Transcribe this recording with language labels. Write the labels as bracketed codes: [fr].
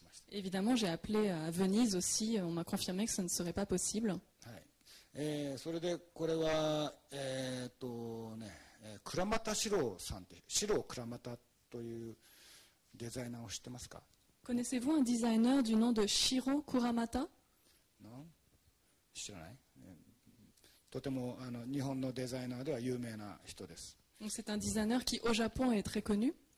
[fr] Évidemment, j'ai appelé à Venise aussi, on m'a confirmé que ce ne serait pas possible. [ja] それでこれはね。クラマタシロウさんって、シロウクラマタというデザイナーを知ってますか [fr] Connaissez-vous un designer du nom de Shiro Kuramata? Non? [ja] 知らない。とてもあの日本のデザイナーでは有名な人です。 [fr] C'est un designer qui au Japon est très connu.